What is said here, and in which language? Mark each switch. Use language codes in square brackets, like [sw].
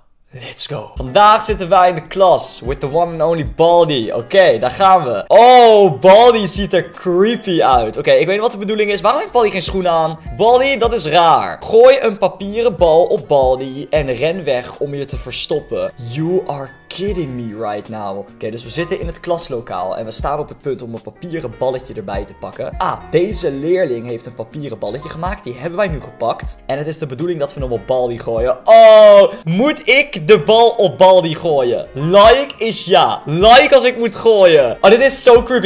[nl] Let's go. Vandaag zitten wij in de klas [en] with the one and only [nl] Baldi. Oké, daar gaan we. Oh, Baldi ziet er creepy uit. Oké, ik weet niet wat de bedoeling is. Waarom heeft Baldi geen schoenen aan? Baldi, dat is raar. Gooi een papieren bal op Baldi en ren weg om je te verstoppen. [en] You are kidding me right now. [nl] Oké, dus we zitten in het klaslokaal en we staan op het punt om een papieren balletje erbij te pakken. Ah, deze leerling heeft een papieren balletje gemaakt. Die hebben wij nu gepakt. En het is de bedoeling dat we hem op Baldi gooien. Oh, moet ik de bal op Baldi gooien? Like is ja. Like als ik moet gooien. Oh, dit is zo creepy.